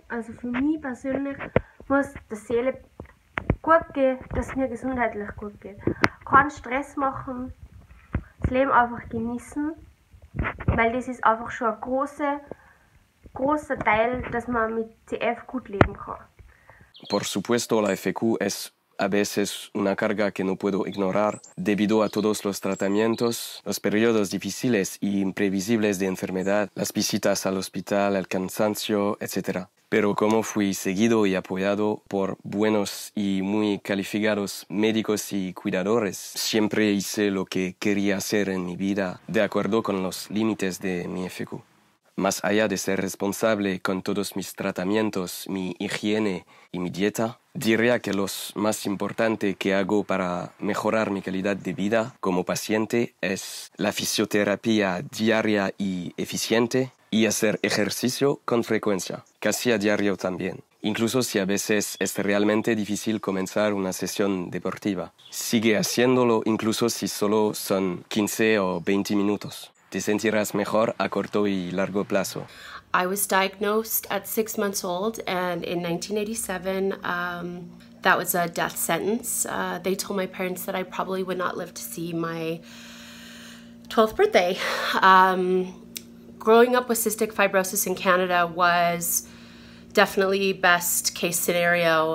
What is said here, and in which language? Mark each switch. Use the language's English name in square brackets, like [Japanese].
[German] Also für mich persönlich muss der Seele gut gehen, dass es mir gesundheitlich gut geht. Keinen Stress machen, das Leben einfach genießen, weil das ist einfach schon ein großer Teil, dass man mit CF gut leben kann. [Spanish] Por supuesto, la FQ es a veces una carga que no puedo ignorar debido a todos los tratamientos, los periodos difíciles e imprevisibles de enfermedad, las visitas al hospital, el cansancio, etc. Pero como fui seguido y apoyado por buenos y muy calificados médicos y cuidadores, siempre hice lo que quería hacer en mi vida de acuerdo con los límites de mi FQ. Más allá de ser responsable con todos mis tratamientos, mi higiene y mi dieta, diría que lo más importante que hago para mejorar mi calidad de vida como paciente es la fisioterapia diaria y eficiente y hacer ejercicio con frecuencia, casi a diario también, incluso si a veces es realmente difícil comenzar una sesión deportiva. Sigue haciéndolo incluso si solo son 15 o 20 minutos. Te sentirás mejor a corto y largo plazo. [English] I was diagnosed at 6 months old, and in 1987, that was a death sentence. They told my parents that I probably would not live to see my 12th birthday. Growing up with cystic fibrosis in Canada was definitely best case scenario.